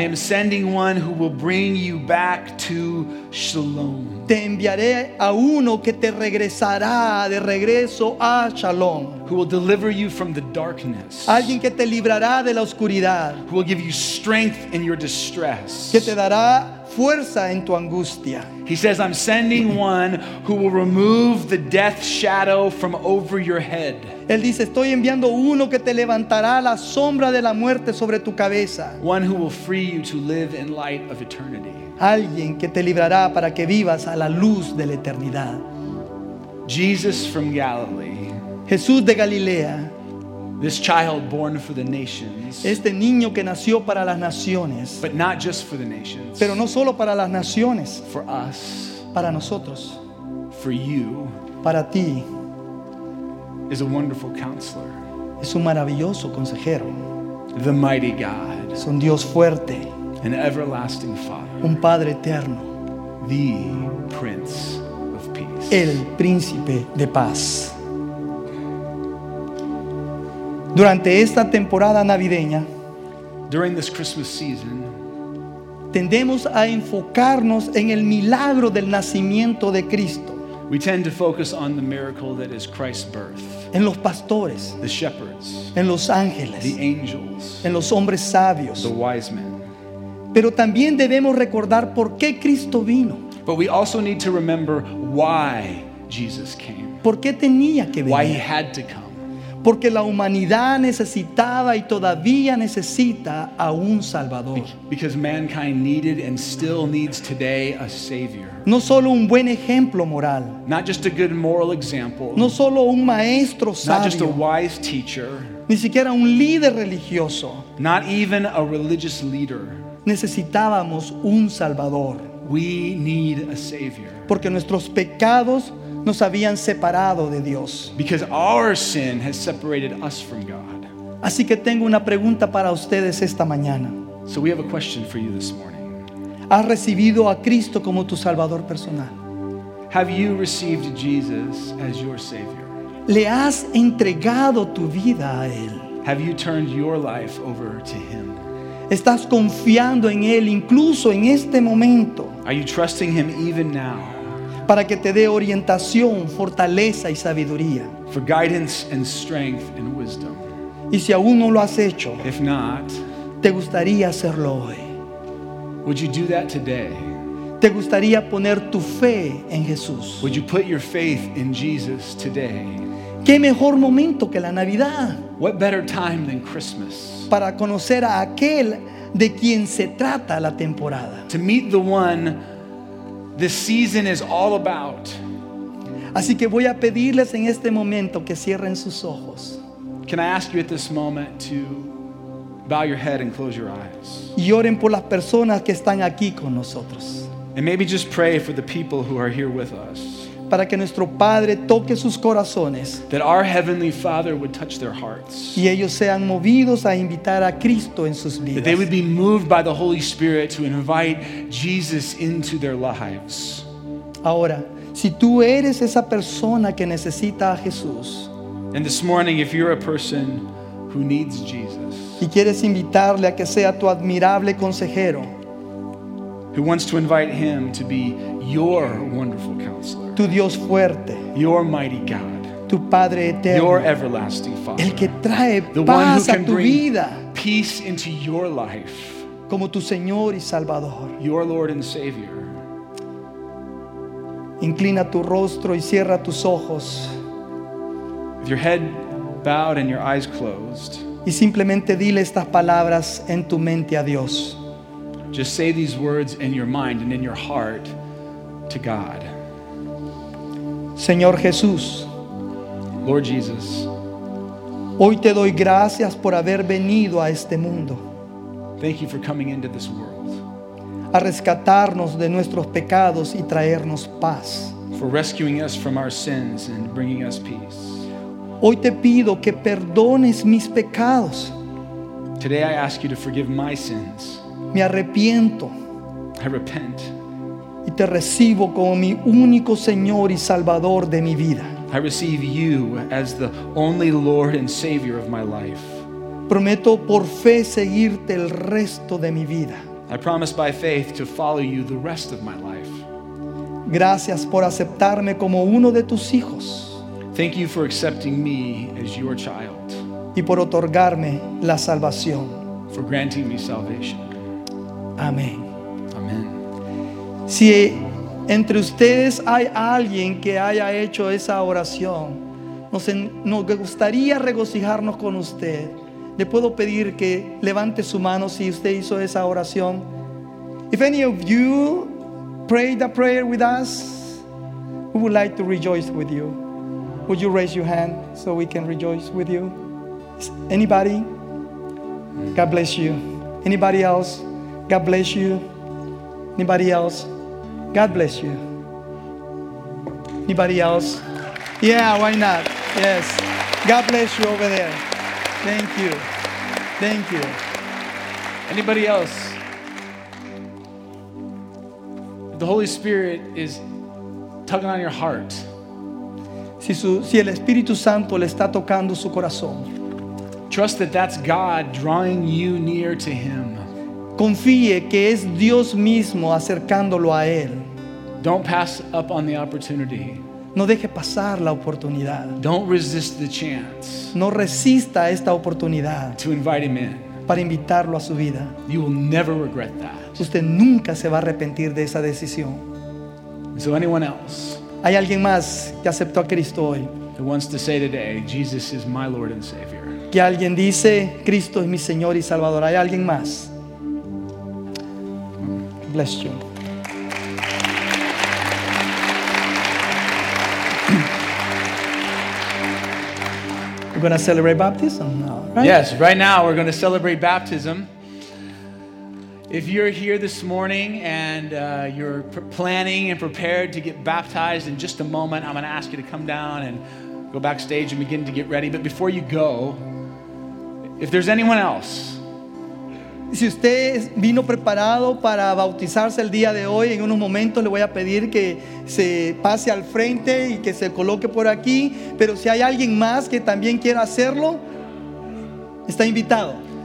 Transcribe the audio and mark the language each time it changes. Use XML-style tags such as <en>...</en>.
<en>"I am sending one who will bring you back to shalom."</en> <es>Te enviaré a uno que te regresará de regreso a shalom.</es> <en>Who will deliver you from the darkness?</en> <es>Alguien que te librará de la oscuridad.</es> <en>Who will give you strength in your distress?</en> <es>Que te dará fuerza en tu angustia.</es> <en>He says, "I'm sending one who will remove the death shadow from over your head."</en> <es>Él dice, "Estoy enviando uno que te levantará la sombra de la muerte sobre tu cabeza."</es> <en>One who will free you to live in light of eternity.</en> <es>Alguien que te librará para que vivas a la luz de la eternidad.</es> <en>Jesus from Galilee.</en> <es>Jesús de Galilea.</es> <en>This child born for the nations.</en> <es>Este niño que nació para las naciones.</es> <en>But not just for the nations.</en> <es>Pero no solo para las naciones.</es> <en>For us.</en> <es>Para nosotros.</es> <en>For you.</en> <es>Para ti.</es> <en>Is a wonderful counselor.</en> <es>Es un maravilloso consejero.</es> <en>The mighty God.</en> <es>Es un Dios fuerte.</es> <en>An everlasting Father.</en> <es>Un Padre eterno.</es> <en>The Prince of Peace.</en> <es>El Príncipe de Paz. Durante esta temporada navideña,</es> <en>during this Christmas season,</en> <es>tendemos a enfocarnos en el milagro del nacimiento de Cristo.</es> <en>We tend to focus on the miracle that is Christ's birth.</en> <es>En los pastores,</es> <en>the shepherds,</en> <es>en los ángeles,</es> <en>the angels,</en> <es>en los hombres sabios,</es> <en>the wise men.</en> <es>Pero también debemos recordar por qué Cristo vino.</es> <en>But we also need to remember why Jesus came.</en> <es>¿Por qué tenía que venir?</es> <en>Why he had to come.</en> <es>Porque la humanidad necesitaba y todavía necesita a un Salvador.</es> <en>Because mankind needed and still needs today a Savior.</en> <es>No solo un buen ejemplo moral.</es> <en>Not just a good moral example.</en> <es>No solo un maestro sabio.</es> <en>Not just a wise teacher.</en> <es>Ni siquiera un líder religioso.</es> <en>Not even a religious leader.</en> <es>Necesitábamos un Salvador.</es> <en>We need a Savior.</en> <es>Porque nuestros pecados nos habían separado de Dios.</es> <en>Because our sin has separated us from God.</en> <es>Así que tengo una pregunta para ustedes esta mañana.</es> <en>So we have a question for you this morning.</en> <es>¿Has recibido a Cristo como tu Salvador personal?</es> <en>Have you received Jesus as your Savior?</en> <es>¿Le has entregado tu vida a Él?</es> <en>Have you turned your life over to Him?</en> <es>¿Estás confiando en Él incluso en este momento?</es> <en>Are you trusting Him even now?</en> <es>Para que te dé orientación, fortaleza y sabiduría.</es> <en>For guidance and strength and wisdom.</en> <es>Y si aún no lo has hecho,</es> <en>if not,</en> <es>te gustaría hacerlo hoy.</es> <en>Would you do that today?</en> <es>Te gustaría poner tu fe en Jesús.</es> <en>Would you put your faith in Jesus today?</en> <es>¿Qué mejor momento que la Navidad?</es> <en>What better time than Christmas?</en> <es>Para conocer a aquel de quien se trata la temporada.</es> <en>To meet the one this season is all about.</en> <es>Así que voy a pedirles en este momento que cierren sus ojos.</es> <en>Can I ask you at this moment to bow your head and close your eyes?</en> <es>Y oren por las personas que están aquí con nosotros.</es> <en>And maybe just pray for the people who are here with us.</en> <es>Para que nuestro Padre toque sus corazones.</es> <en>That our Heavenly Father would touch their hearts.</en> <es>Y ellos sean movidos a invitar a Cristo en sus vidas.</es> <en>That they would be moved by the Holy Spirit to invite Jesus into their lives.</en> <es>Ahora, si tú eres esa persona que necesita a Jesús.</es> <en>And this morning, if you're a person who needs Jesus.</en> <es>Y quieres invitarle a que sea tu admirable consejero.</es> <en>Who wants to invite him to be your wonderful counselor.</en> <es>Tu Dios fuerte.</es> <en>Your mighty God.</en> <es>Tu Padre eterno.</es> <en>Your everlasting Father.</en> <es>El que trae paz a tu vida.</es> <en>Peace into your life.</en> <es>Como tu Señor y Salvador.</es> <en>Your Lord and Savior.</en> <es>Inclina tu rostro y cierra tus ojos.</es> <en>With your head bowed and your eyes closed.</en> <es>Y simplemente dile estas palabras en tu mente a Dios.</es> <en>Just say these words in your mind and in your heart to God.</en> <es>Señor Jesús,</es> <en>Lord Jesus,</en> <es>hoy te doy gracias por haber venido a este mundo.</es> <en>Thank you for coming into this world.</en> <es>A rescatarnos de nuestros pecados y traernos paz.</es> <en>For rescuing us from our sins and bringing us peace.</en> <es>Hoy te pido que perdones mis pecados.</es> <en>Today I ask you to forgive my sins.</en> <es>Me arrepiento.</es> <en>I repent.</en> <es>Y te recibo como mi único Señor y Salvador de mi vida.</es> <en>I receive you as the only Lord and Savior of my life.</en> <es>Prometo por fe seguirte el resto de mi vida.</es> <en>I promise by faith to follow you the rest of my life.</en> <es>Gracias por aceptarme como uno de tus hijos.</es> <en>Thank you for accepting me as your child.</en> <es>Y por otorgarme la salvación.</es> <en>For granting me salvation.</en> <es>Amén.</es> <en>Amén.</en> <es>Si entre ustedes hay alguien que haya hecho esa oración, nos gustaría regocijarnos con usted. Le puedo pedir que levante su mano si usted hizo esa oración.</es> <en>If any of you prayed a prayer with us, we would like to rejoice with you. Would you raise your hand so we can rejoice with you? Anybody? God bless you. Anybody else? God bless you. Anybody else? God bless you. Anybody else? Yeah, why not? Yes. God bless you over there. Thank you. Thank you. Anybody else? The Holy Spirit is tugging on your heart.</en> <es>Si el Espíritu Santo le está tocando su corazón.</es> <en>Trust that that's God drawing you near to Him.</en> <es>Confíe que es Dios mismo acercándolo a Él.</es> <en>Don't pass up on the opportunity.</en> <es>No deje pasar la oportunidad.</es> <en>Don't resist the chance.</en> <es>No resista esta oportunidad.</es> <en>To invite Him in.</en> <es>Para invitarlo a su vida.</es> <en>You will never regret that.</en> <es>Usted nunca se va a arrepentir de esa decisión.</es> <en>So anyone else?</en> <es>¿Hay alguien más que aceptó a Cristo hoy?</es> <en>Who wants to say today, Jesus is my Lord and Savior.</en> <es>¿Que alguien dice, Cristo es mi Señor y Salvador? ¿Hay alguien más?</es> <en>Bless you. We're going to celebrate baptism now, right? Yes, right now we're going to celebrate baptism. If you're here this morning and you're planning and prepared to get baptized in just a moment, I'm going to ask you to come down and go backstage and begin to get ready. But before you go, if there's anyone else.</en> <es>Si usted vino preparado para bautizarse el día de hoy, en unos momentos le voy a pedir que se pase al frente y que se coloque por aquí. Pero si hay alguien más que también quiera hacerlo, está invitado.</es>